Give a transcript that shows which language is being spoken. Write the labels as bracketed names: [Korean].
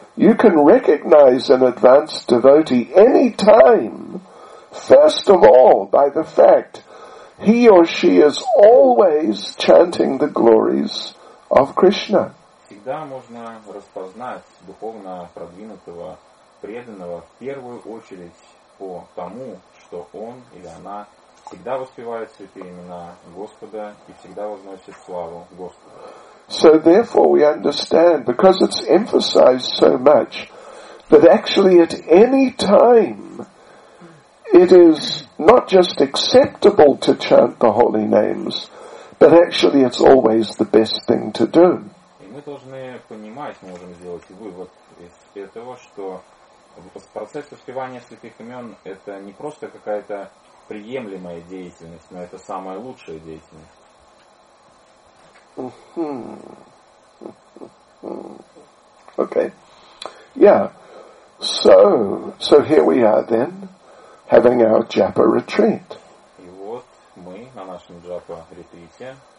[English] You can recognize an advanced devotee any time, first of all, by the fact he or she is always chanting the glories of Krishna. [Russian] Всегда можно распознать духовно продвинутого преданного в первую очередь по тому, что он или она всегда воспевает святые имена Господа и всегда возносит славу Господу. [English] So therefore we understand, because it's emphasized so much, that actually at any time it is not just acceptable to chant the holy names, but actually it's always the best thing to do. [Russian] Мы должны понимать, мы можем сделать вывод из этого, что процесс воспевания святых имен это не просто какая-то приемлемая деятельность, но это самая лучшая деятельность. [English] Okay. Yeah. So here we are then, having our japa retreat. [Russian] И вот мы на нашем джапа ретрите.